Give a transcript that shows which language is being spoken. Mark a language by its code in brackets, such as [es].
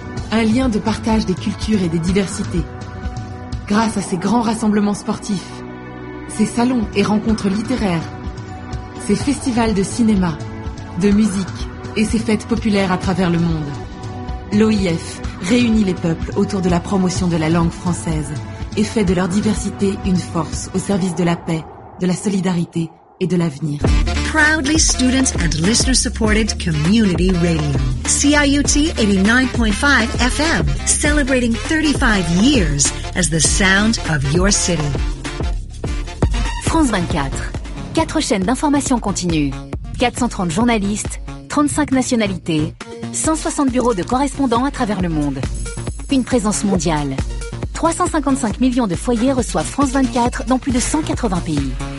[fr] Un lien de partage des cultures et des diversités grâce à ses grands rassemblements sportifs, ses salons et rencontres littéraires, ses festivals de cinéma, de musique et ses fêtes populaires à travers le monde. L'OIF réunit les peuples autour de la promotion de la langue française et fait de leur diversité une force au service de la paix, de la solidarité et de l'avenir. [en] Proudly student and listener supported community radio. CIUT 89.5 FM, celebrating 35 years as the sound of your city. [fr] France 24, 4 chaînes d'information continue, 430 journalistes, 35 nationalités, 160 bureaux de correspondants à travers le monde. Une présence mondiale. 355 millions de foyers reçoivent France 24 dans plus de 180 pays.